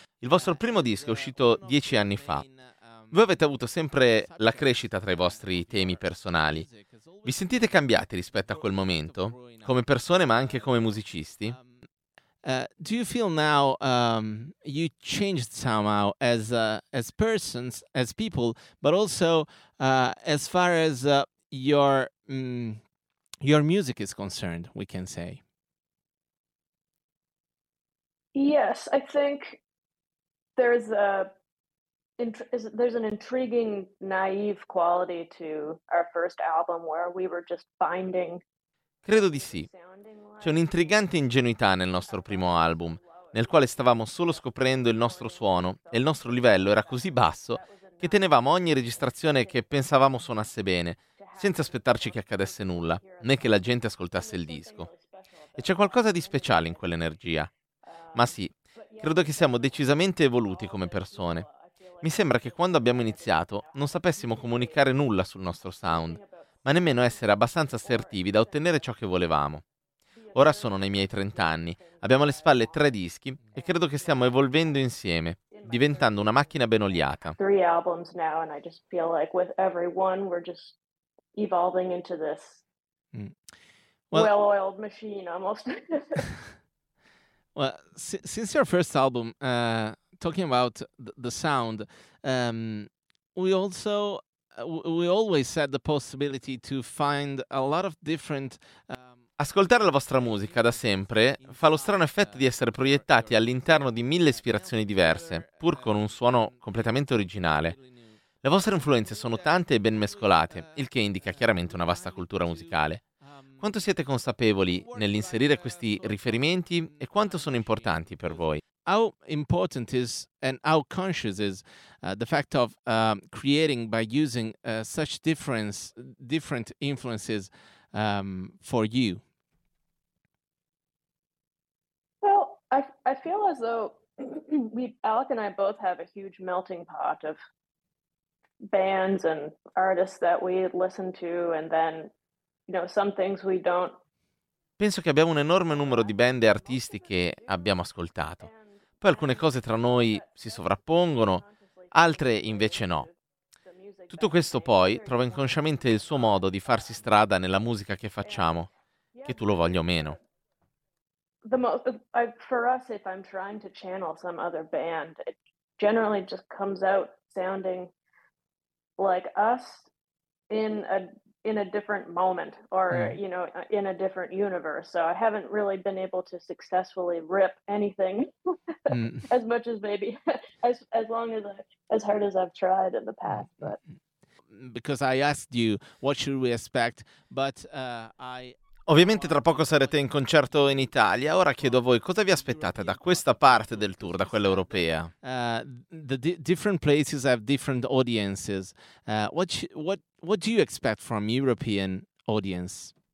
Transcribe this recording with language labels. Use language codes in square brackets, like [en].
[it] Il vostro primo disco è uscito 10 anni fa. Voi avete avuto sempre la crescita tra i vostri temi personali. Vi sentite cambiati rispetto a quel momento, come persone ma anche come musicisti? [en] Do you feel now you changed somehow as persons, as people, but also as far as your music is concerned, we can say. Yes, I think there's an intriguing, naive quality to our first album where we were just finding. [it] Credo di sì. C'è un'intrigante ingenuità nel nostro primo album, nel quale stavamo solo scoprendo il nostro suono e il nostro livello era così basso che tenevamo ogni registrazione che pensavamo suonasse bene, senza aspettarci che accadesse nulla, né che la gente ascoltasse il disco. E c'è qualcosa di speciale in quell'energia. Ma sì, credo che siamo decisamente evoluti come persone. Mi sembra che quando abbiamo iniziato non sapessimo comunicare nulla sul nostro sound, ma nemmeno essere abbastanza assertivi da ottenere ciò che volevamo. Ora sono nei miei 30 anni, abbiamo alle spalle 3 dischi e credo che stiamo evolvendo insieme, diventando una macchina ben oliata. [en] Three albums now and I just feel like with every one we're just evolving into this well-oiled machine almost. Well, since your first album, talking about the sound, we always had the possibility to find a lot of different. [it] Ascoltare la vostra musica da sempre fa lo strano effetto di essere proiettati all'interno di mille ispirazioni diverse, pur con un suono completamente originale. Le vostre influenze sono tante e ben mescolate, il che indica chiaramente una vasta cultura musicale. Quanto siete consapevoli nell'inserire questi riferimenti e quanto sono importanti per voi? [en] How important is and how conscious is the fact of creating by using such different influences for you? Well, I feel as though we Alec and I both have a huge melting pot of bands and artists that we listen to and then. [it] Penso che abbiamo un enorme numero di band e artisti che abbiamo ascoltato. Poi alcune cose tra noi si sovrappongono, altre invece no. Tutto questo poi trova inconsciamente il suo modo di farsi strada nella musica che facciamo, che tu lo voglia o meno. [en] For us, if I'm trying to channel some other band, it generally just comes out sounding like us in a different moment or, you know, in a different universe. So I haven't really been able to successfully rip anything as much as maybe as hard as I've tried in the past. But because I asked you, what should we expect? But [it] ovviamente tra poco sarete in concerto in Italia. Ora chiedo a voi, cosa vi aspettate da questa parte del tour, da quella europea? [en] Different places have different audiences. What do you expect from European audience?